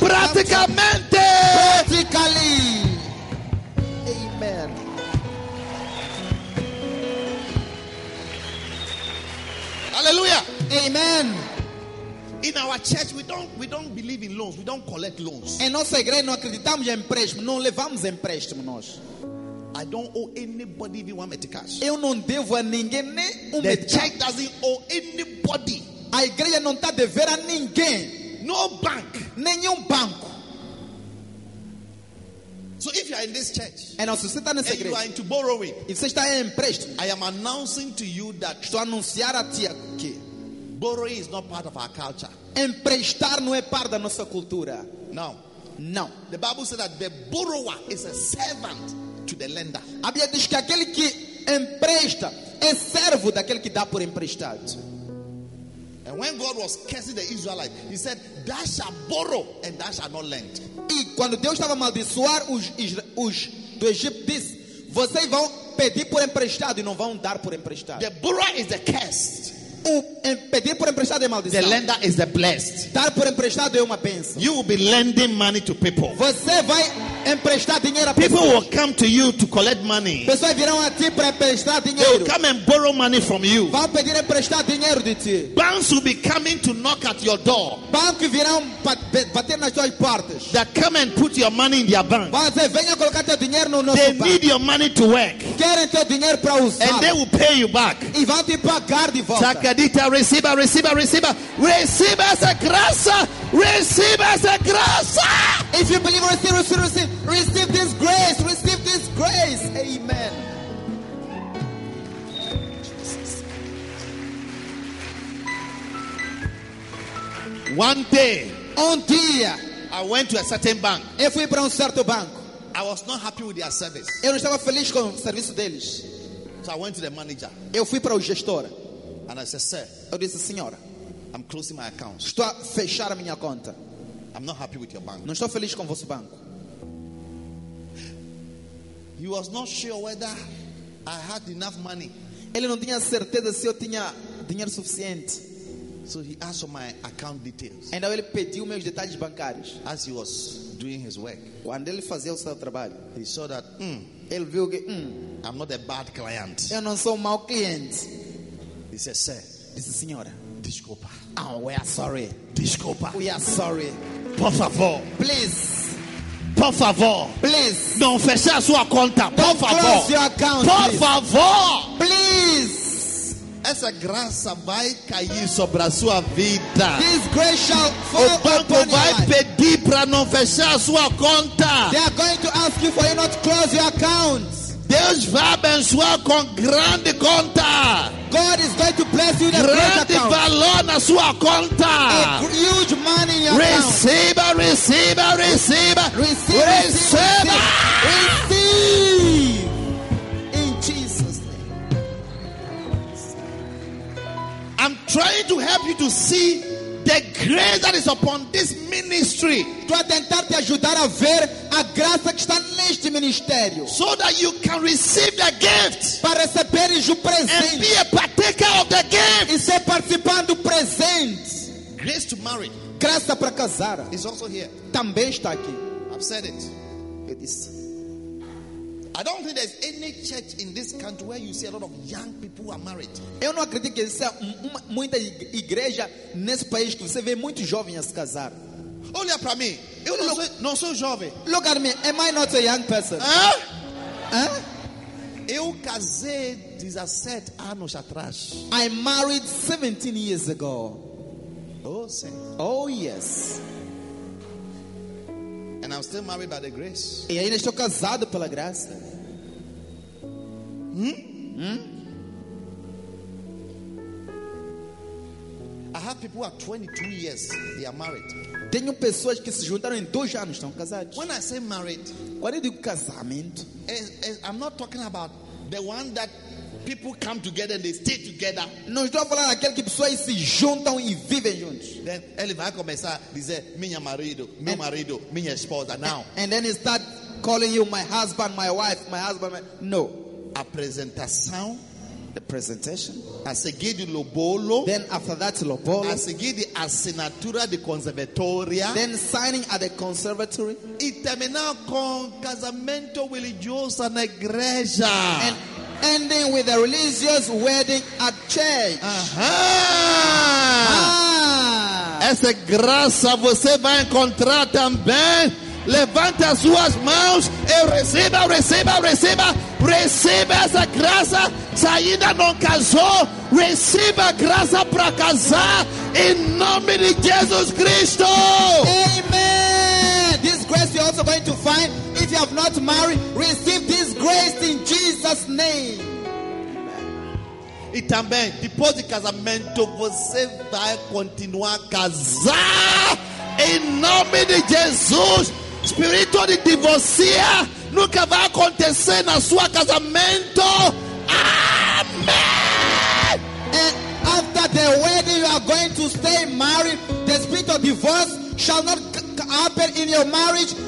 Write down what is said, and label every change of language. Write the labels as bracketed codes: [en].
[pt] Praticamente. Praticamente. [en] Hallelujah. Amen. In our church, we don't believe in loans. We don't collect loans. [pt] Em nossa igreja não acreditamos em empréstimo, não levamos empréstimo nós. [en] I don't owe anybody even one meter cash. [pt] Eu não devo a ninguém nem um [en] meter. The church doesn't owe anybody. [pt] A igreja não está devendo a ninguém. [en] No bank. [pt] Nenhum banco. [en] So if you are in this church and, also sit and secret, you are into borrowing, [pt] if você está empréstimo, [en] I am announcing to you that [pt] estou anunciar a ti que [en] borrowing is not part of our culture. [pt] Emprestar não é parte da nossa cultura. [en] No. No. The Bible says that the borrower is a servant to the lender. [pt] A Bíblia diz que aquele que empresta é servo daquele que dá por emprestado. [en] And when God was cursing the Israelites, he said, thou shalt borrow and thou shalt not lend. [pt] E quando Deus estava a amaldiçoar os do Egito, disse, vocês vão pedir por emprestado e não vão dar por emprestado. [en] The borrower is the cursed. [pt] Pedir por emprestado é maldição. [en] The lender is the blessed. [pt] Dar por emprestado é uma bênção. [en] You will be lending money to people. [pt] Você vai emprestar dinheiro a [en] people [pt] pessoas. [en] Will come to you to collect money. [pt] Pessoas virão a ti para emprestar dinheiro. [en] They will come and borrow money from you. [pt] Vão pedir emprestar dinheiro de ti. [en] Banks will be coming to knock at your door. [pt] Bancos virão bater nas suas portas. [en] They come and put your money in their bank. [pt] Vão dizer, venha colocar teu dinheiro no nosso [en] they [pt] banco. [en] They need your money to work. [pt] Querem teu dinheiro para usar. [en] And they will pay you back. [pt] E vão te pagar de volta. Saca receba, receba, receba, receba essa graça, receba essa graça. [en] If you believe, receive, receive, receive, receive this grace, receive this grace. Amen. One day, [pt] um dia, [en] I went to a certain bank. [pt] Eu fui para certo banco. [en] I was not happy with their service. [pt] Eu não estava feliz com o serviço deles. [en] So I went to the manager. [pt] Eu fui para o gestor. [en] And I said, sir, [pt] eu disse, senhora, [en] I'm closing my account. [pt] Estou a fechar a minha conta. [en] I'm not happy with your bank. [pt] Não estou feliz com o vosso banco. [en] He was not sure whether I had enough money. [pt] Ele não tinha certeza se eu tinha dinheiro suficiente. [en] So he asked for my account details. [pt] Então ele pediu meus detalhes bancários. [en] As he was doing his work, [pt] quando ele fazia o seu trabalho, [en] he saw that, [pt] ele viu que, [en] I'm not a bad client. [pt] Eu não sou um mau cliente. [en] He said, sir, [pt] Disse, Senhora. Desculpa. [en] Oh, we are sorry. [pt] Desculpa. [en] We are sorry. [pt] Por favor. [en] Please. [pt] Por favor. [en] Please. [pt] Não feche a sua conta. [en] Don't [pt] por favor. [en] Close your account. [pt] Por [en] please. [pt] Favor. [en] Please. [pt] Essa graça vai cair sobre a sua vida. [en] This grace shall fall upon your life. [pt] O banco vai pedir para não fechar a sua conta. [en] They are going to ask you for you not close your account. [pt] Deus vai abençoar com grande conta. [en] God is going to bless you with a [pt] grande valor na sua conta. [en] A huge money in your receiver, account. Receiver, receiver, receiver, receive, receiver, receive. In Jesus' name. I'm trying to help you to see the grace that is upon this ministry. [pt] Para tentar te ajudar a ver a graça que está neste ministério. [en] So that you can receive the gift. [pt] Para receberes o presente. [en] And be a partaker of the gift. [pt] E ser participando do presente. [en] Grace to marry. [pt] Graça para casar. [en] Is also here. [pt] Também está aqui. [en] I've said it. [pt] Eu disse. [en] I don't think there's any church in this country where you see a lot of young people who are married. [pt] Eu não acredito que exista muita igreja nesse país que você vê muitos jovens a se casar. Olha para mim. Eu não sou jovem. [en] Look at me. Am I not a young person? [pt] Eu casei 17 anos atrás. [en] I married 17 years ago. [pt] Oh, sim. [en] Oh, yes. And I'm still married by the grace. [pt] E ainda estou casado pela graça. [en] I have people who are 22 years, they are married. [pt] Tenho pessoas que se juntaram em 2 anos, estão casados. [en] When I say married, [pt] quando eu digo casamento, [en] I'm not talking about the one that people come together and they stay together. [pt] Não estou a falar daquele que pessoas se juntam e vivem juntos. Then ele vai começar a dizer minha marido, meu marido, minha esposa now. [en] And then he start calling you my husband, my wife, my husband. My... No. [pt] A apresentação. [en] The presentation. [pt] A seguir de lobolo. [en] Then after that lobolo. [pt] A seguir de assinatura de conservatória. [en] Then signing at the conservatory. [pt] E terminar com casamento religioso na igreja. [en] And ending with a religious wedding at church. [pt] Essa graça você vai encontrar também. Levante as suas mãos e receba, receba, receba, receba essa graça. Se ainda não casou, receba a graça para casar em nome de Jesus Cristo. Amen. [en] This grace you're also going to find if you have not married. Receive this grace in Jesus' name. [pt] E também, depois do casamento, você vai continuar a casar em nome de Jesus. Espírito de divórcio nunca vai acontecer na sua casamento. Amém. [en] And after the wedding you are going to stay married, the spirit of divorce shall not happen in your marriage.